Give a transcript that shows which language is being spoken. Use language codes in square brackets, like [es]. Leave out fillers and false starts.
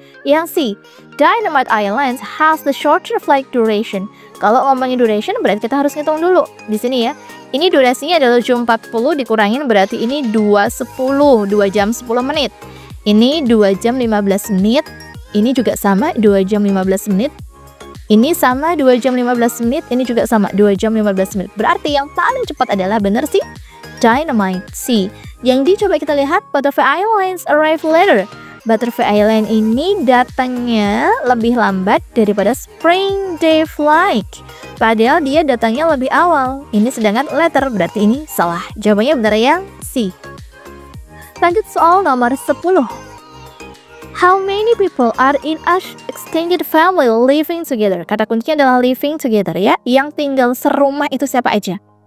[en] Yang C, Dynamite Islands has the shorter flight duration. [id] Kalau ngomongin duration, berarti kita harus ngitung dulu di sini ya. Ini durasinya adalah 7.40 dikurangin berarti ini 2.10, 2 jam 10 menit. Ini 2 jam 15 menit, ini juga sama 2 jam 15 menit. Ini sama 2 jam 15 menit, ini juga sama 2 jam 15 menit. Berarti yang paling cepat adalah benar sih Dynamite C. Yang D coba kita lihat, [en] Butterfly Islands arrive later. [id] Butterfly Island ini datangnya lebih lambat daripada Spring Day Flight. Padahal dia datangnya lebih awal. Ini sedangkan letter, berarti ini salah. Jawabannya benar yang C. Lanjut soal nomor 10. [en] How many people are in an extended family living together? [id] Kata kuncinya adalah living together ya. Yang tinggal serumah itu siapa aja?